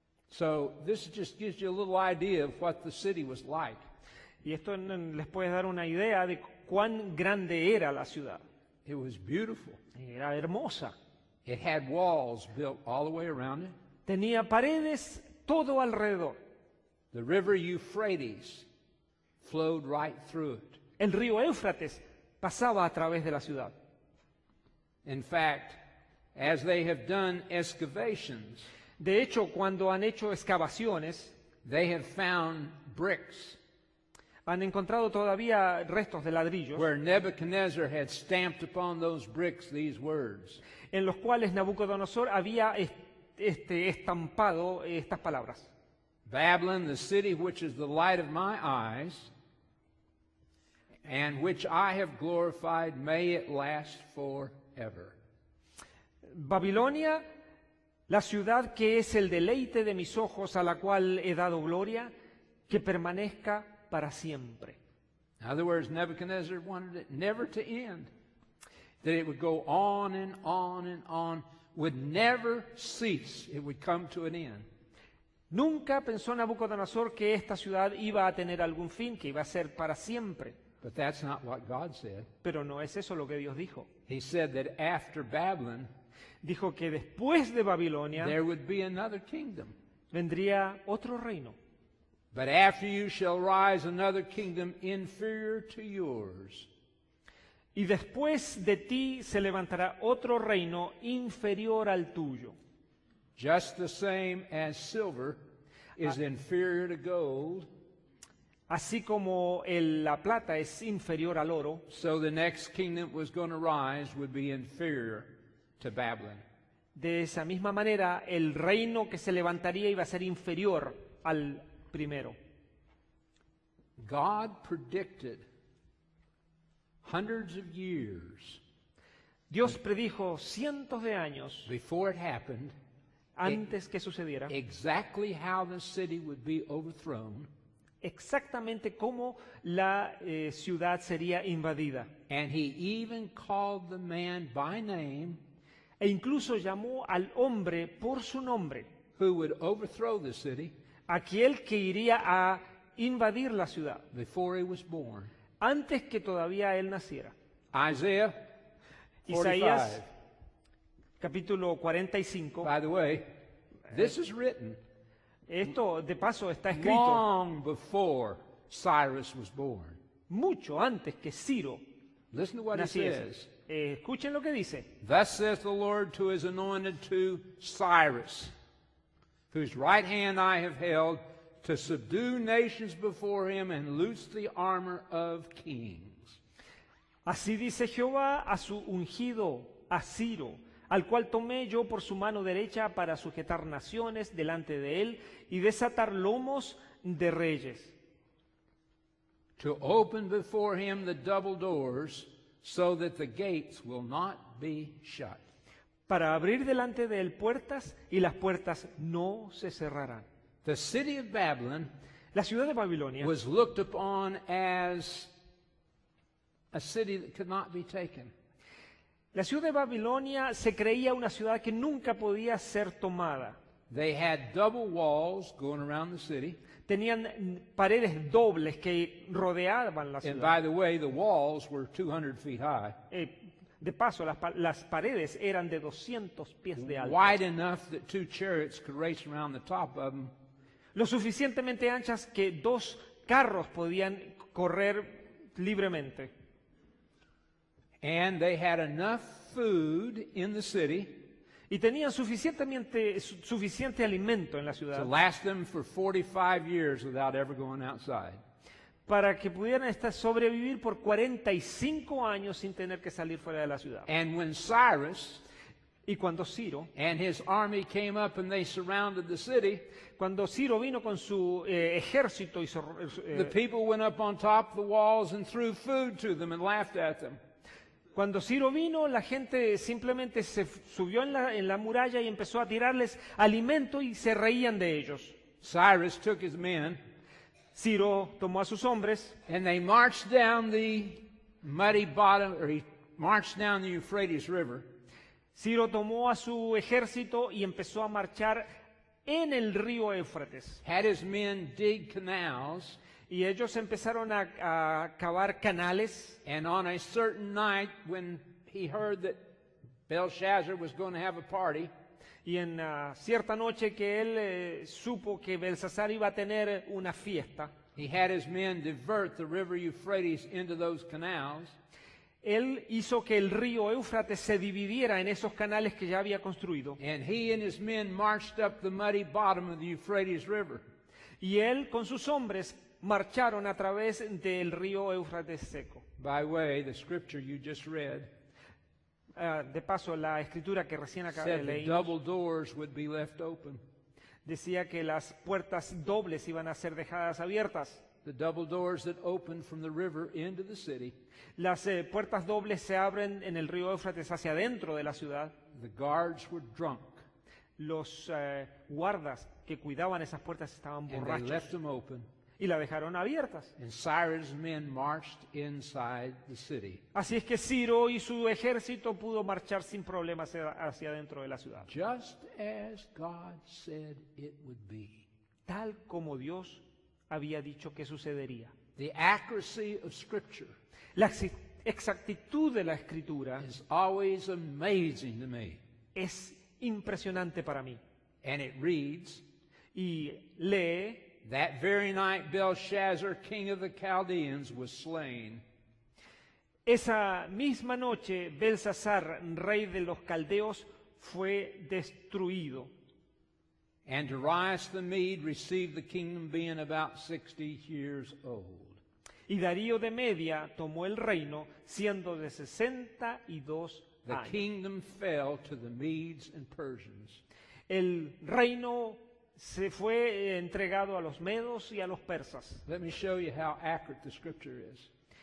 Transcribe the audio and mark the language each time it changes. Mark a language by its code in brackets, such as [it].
[en] So this just gives you a little idea of what the city was like. [es] Y esto les puede dar una idea de cuán grande era la ciudad. [en] It was beautiful. [es] Era hermosa. [en] It had walls built all the way around it. [es] Tenía paredes todo alrededor. [en] The river Euphrates flowed right through it. [es] El río Éufrates pasaba a través de la ciudad. [en] In fact, as they have done excavations, [es] de hecho, cuando han hecho excavaciones, [en] they have found bricks. [es] Han encontrado todavía restos de ladrillos. [en] Where Nebuchadnezzar had stamped upon those bricks these words. [es] En los cuales Nabucodonosor había estampado estas palabras. [en] Babylon, the city which is the light of my eyes, and which I have glorified, may it last forever. [es] Babilonia, la ciudad que es el deleite de mis ojos, a la cual he dado gloria, que permanezca para siempre. [en] In other words, Nebuchadnezzar wanted it never to end, that it would go on and on and on, would never cease, it would come to an end. [es] Nunca pensó Nabucodonosor que esta ciudad iba a tener algún fin, que iba a ser para siempre. [en] But that's not what God said. [es] Pero no es eso lo que Dios dijo. [en] He said that after Babylon, [es] dijo que después de Babilonia, [en] there would be another kingdom. [es] Vendría otro reino. [en] But after you shall rise another kingdom inferior to yours. [es] Y después de ti se levantará otro reino inferior al tuyo. [en] Just the same as silver is inferior to gold. [es] Así como la plata es inferior al oro. [en] So the next kingdom was going to rise would be inferior to Babylon. [es] De esa misma manera, el reino que se levantaría iba a ser inferior al primero. [en] God predicted hundreds of years. [es] Dios predijo cientos de años [en] before it happened, [es] antes que sucediera, [en] exactly how the city would be overthrown, [es] exactamente cómo la ciudad sería invadida. [en] And he even called the man by name, [es] e incluso llamó al hombre por su nombre, [en] who would overthrow the city, [es] aquel que iría a invadir la ciudad, [en] before he was born, [es] antes que todavía él naciera. [en] Isaiah 45. [es] Isaías, capítulo 45. [en] By the way, this is written. [es] Esto, de paso, está escrito. [en] Long before Cyrus was born. [es] Mucho antes que Ciro. [en] Listen to what [es] naciese. [en] He says. [es] Escuchen lo que dice. [en] Thus says the Lord to his anointed, to Cyrus, whose right hand I have held, to subdue nations before him and loose the armor of kings. [es] Así dice Jehová a su ungido, a Ciro, al cual tomé yo por su mano derecha para sujetar naciones delante de él y desatar lomos de reyes. [en] To open before him the double doors so that the gates will not be shut. [es] Para abrir delante de él puertas y las puertas no se cerrarán. [en] The city of Babylon, [es] la ciudad de Babilonia, [en] was looked upon as a city that could not be taken. [es] La ciudad de Babilonia se creía una ciudad que nunca podía ser tomada. [en] They had double walls going around the city. [es] Tenían paredes dobles que rodeaban la ciudad. [en] And by the way, the walls were 200 feet high. [es] De paso, las paredes eran de 200 pies de alto. [en] Wide enough that two chariots could race around the top of them. [es] Lo suficientemente anchas que dos carros podían correr libremente. [en] And they had enough food in the city. [es] Y tenían suficiente alimento en la ciudad. [en] To last them for 45 years without ever going outside. [es] Para que pudieran sobrevivir por 45 años sin tener que salir fuera de la ciudad. [en] And when Cyrus, [es] y cuando Ciro, [en] and his army came up and they surrounded the city, [es] cuando Ciro vino con su ejército y [en] the people went up on top the walls and threw food to them and laughed at them. [es] Cuando Ciro vino, la gente simplemente se subió en la muralla y empezó a tirarles alimento y se reían de ellos. [en] Cyrus took his men. [es] Ciro tomó a sus hombres. [en] And they marched down the muddy bottom, or he marched down the Euphrates River. [es] Ciro tomó a su ejército y empezó a marchar en el río Éufrates. [en] Had his men dig canals. [es] Y ellos empezaron a cavar canales. [en] And on a certain night when he heard that Belshazzar was going to have a party. [es] Y en cierta noche que él supo que Belsasar iba a tener una fiesta. [en] He had his men divert the river Euphrates into those canals. [es] Él hizo que el río Éufrates se dividiera en esos canales que ya había construido. [en] And he and his men marched up the muddy bottom of the Euphrates River. [es] Y él con sus hombres marcharon a través del río Éufrates seco. [en] By way, the scripture you just read, [es] de paso, la escritura que recién acabé [en] said [es] de leer, [en] the double doors would be left open. [es] Decía que las puertas dobles iban a ser dejadas abiertas. [en] The double doors that open from the river into the city. [es] Las puertas dobles se abren en el río Éufrates hacia adentro de la ciudad. [en] The guards were drunk. [es] Los guardas que cuidaban esas puertas estaban borrachos. [en] And they left them open. [es] y la dejaron abiertas. [en] And Cyrus' men marched inside the city. [es] Así es que Ciro y su ejército pudo marchar sin problemas hacia dentro de la ciudad. [en] Just as God said it would be. [es] Tal como Dios había dicho que sucedería. [en] The accuracy of Scripture. [es] La exactitud de la Escritura [en] is always amazing to me. [es] Es impresionante para mí. [en] And it reads, [es] y lee, [en] that very night Belshazzar, king of the Chaldeans, was slain. [es] Esa misma noche Belsasar, rey de los caldeos, fue destruido. [en] And Darius the Mede received the kingdom being about 60 years old. [es] Y Darío de Media tomó el reino siendo de 62 años. [en] The kingdom fell to the Medes and Persians. [es] El reino se fue entregado a los medos y a los persas. [en] Let me show you how accurate the scripture is.